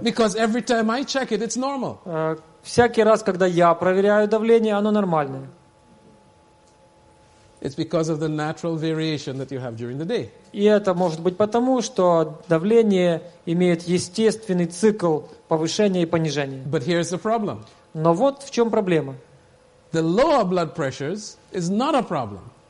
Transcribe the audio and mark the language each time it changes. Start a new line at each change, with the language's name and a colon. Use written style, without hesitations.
English: Because every time I check it, it's normal.
Russian: Всякий раз, когда я проверяю давление, оно нормальное.
English: It's because of the natural variation that you have during the day.
Russian: И это может быть потому, что давление имеет естественный цикл повышения и понижения.
English: But here's the problem.
Russian: Но вот в чем проблема.
English: The lower blood pressures is not a problem.